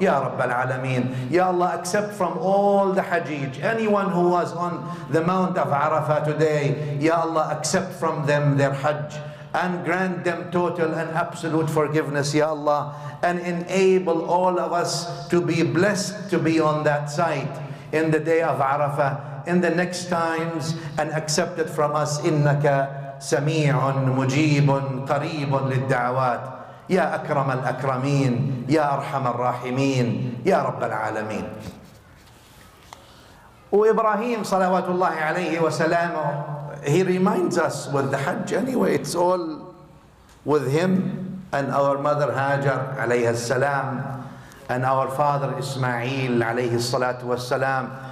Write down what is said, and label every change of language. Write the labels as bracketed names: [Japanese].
[Arabic] Ya Rabbal Alameen, [English] Ya Allah, accept from all the Hajjaj, anyone who was on the Mount of Arafah today, Ya Allah, accept from them their Hajj and grant them total and absolute forgiveness, Ya Allah, and enable all of us to be blessed to be on that site in the day of Arafah, in the next times, and accept it from us. [Arabic] Innaka sami'un mujibun qareebun lid-da'awat. يا أكرم الأكرمين يا أرحم الراحمين يا رب العالمين. [English] وإبراهيم [Arabic] صلوات الله عليه وسلامه, [English] he reminds us with the Hajj anyway, it's all with him and our mother Hajar [Arabic] عليها السلام [English] and our father إسماعيل [Arabic] عليه الصلاة والسلام.